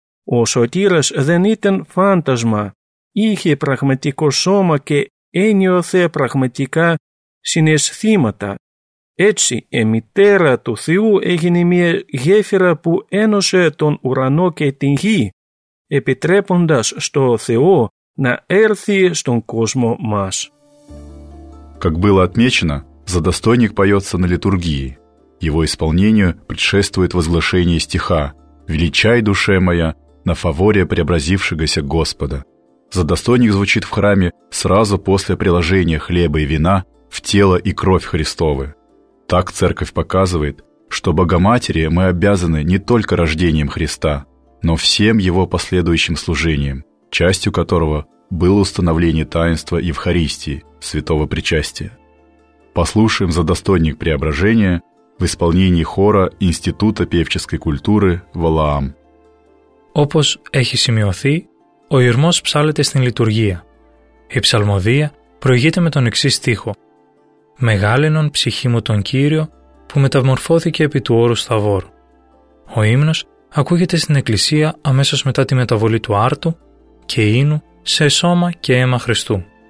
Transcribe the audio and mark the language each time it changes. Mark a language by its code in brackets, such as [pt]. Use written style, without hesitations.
[el] Ο Σωτήρας δεν ήταν φάντασμα, είχε πραγματικό σώμα και ένιωθε πραγματικά συναισθήματα. Έτσι, η μητέρα του Θεού έγινε μια γέφυρα που ένωσε τον ουρανό και την γη, επιτρέποντας στο Θεό να έρθει στον κόσμο μας. [ru] как было отмечено, задостойник поется на литургии. Его исполнению предшествует возглашение стиха «Величай, душе моя, на фаворе преобразившегося Господа». Задостойник звучит в храме сразу после приложения хлеба и вина в тело и кровь Христовы. Так Церковь показывает, что Богоматери мы обязаны не только рождением Христа, но всем Его последующим служением, частью которого было установление таинства Евхаристии, святого причастия. Послушаем задостойник преображения в исполнении хора Института певческой культуры Валаам. [el] Όπως έχει σημειωθεί, ο Ιερμός ψάλλεται στην λειτουργία. Η ψαλμωδία προηγείται με τον εξής στίχο. «Μεγάλενον ψυχή μου τον Κύριο που μεταμορφώθηκε επί του όρου Σταβόρ». Ο ύμνος ακούγεται στην εκκλησία αμέσως μετά τη μεταβολή του άρτου και ίνου σε σώμα και αίμα Χριστού.